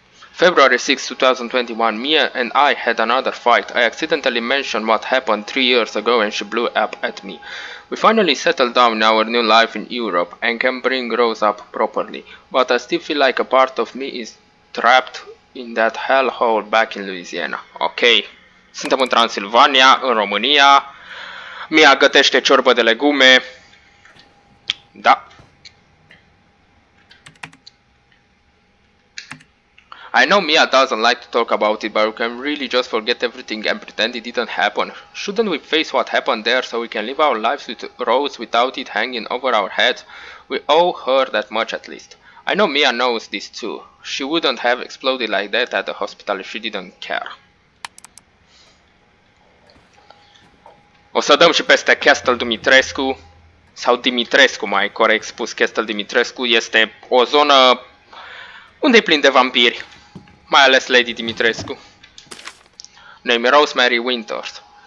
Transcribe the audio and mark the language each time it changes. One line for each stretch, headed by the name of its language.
English: February 6, 2021. Mia and I had another fight. I accidentally mentioned what happened 3 years ago and she blew up at me. We finally settled down in our new life in Europe and can bring Rose up properly. But I still feel like a part of me is trapped in that hellhole back in Louisiana. Ok.
Romanian: Suntem în Transilvania, în România. Mia gătește ciorbă de legume. Da.
English: I know Mia doesn't like to talk about it, but we can really just forget everything and pretend it didn't happen. Shouldn't we face what happened there so we can live our lives with Rose without it hanging over our heads? We owe her that much at least. I know Mia knows this too. She wouldn't have exploded like that at the hospital if she didn't care.
Romanian: O să dăm și peste Castel Dumitrescu. Sau Dimitrescu, mai corect spus, Castel Dimitrescu este o zonă unde e plin de vampiri. Mai ales Lady Dimitrescu.
English: Name Rosemary Winters.